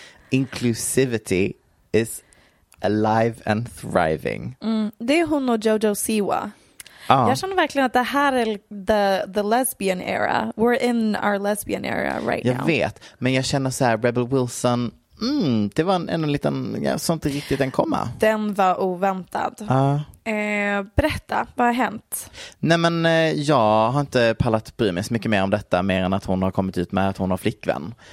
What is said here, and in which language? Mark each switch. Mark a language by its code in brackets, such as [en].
[en] Inclusivity is alive and thriving. [sv] Det är hon och Jojo Siwa. Jag känner verkligen att det här är [en] the lesbian era. We're in our lesbian era right [sv] jag Jag vet, men jag känner så här, Rebel Wilson, det var en liten, ja, sånt riktigt en komma. Den var oväntad. Berätta, vad har hänt? Nej, men jag har inte pallat bry mig så mycket mer om detta, mer än att hon har kommit ut med att hon har flickvän.